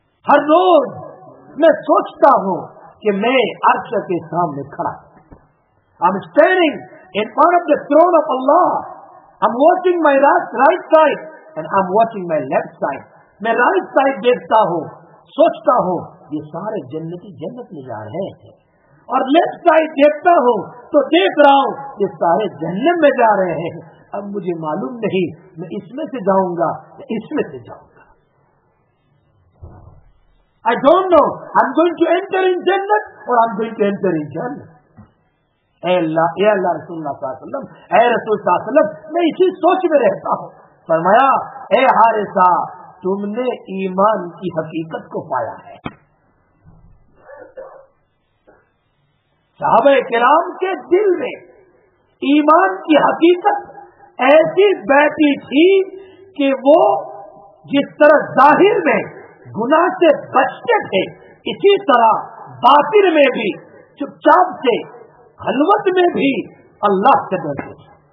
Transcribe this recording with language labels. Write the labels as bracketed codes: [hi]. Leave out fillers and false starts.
[ur] ہر روز میں سوچتا ہوں کہ میں عرش کے سامنے کھڑا, [en] I'm standing in front of the throne of Allah, I'm watching my right side and I'm watching my left side, [ur] میں right side دیکھتا ہوں, سوچتا ہوں یہ سارے جنتی جنت میں جا رہے ہیں, اور left side دیکھتا ہوں تو دیکھ رہا ہوں یہ سارے جہنم میں جا رہے ہیں. اب مجھے معلوم نہیں میں اس میں سے جاؤں گا یا اس میں سے جاؤں گا. [en] I don't know, I'm going to enter in Jannah or I'm going to enter in Jannah. [ur] اے اللہ رسول اللہ صلی اللہ علیہ وسلم, اے رسول صلی اللہ علیہ وسلم, میں اسی سوچ میں رہتا ہوں. فرمایا, اے حارثہ, تم نے ایمان کی حقیقت کو پایا ہے. صحابہ کرام کے دل میں ایمان کی حقیقت ایسی بیٹھی تھی کہ وہ جس طرح ظاہر میں گناہ سے بچتے تھے, اسی طرح باطن میں بھی چپ چاپ سے خلوت میں بھی اللہ سے ڈرتے تھے.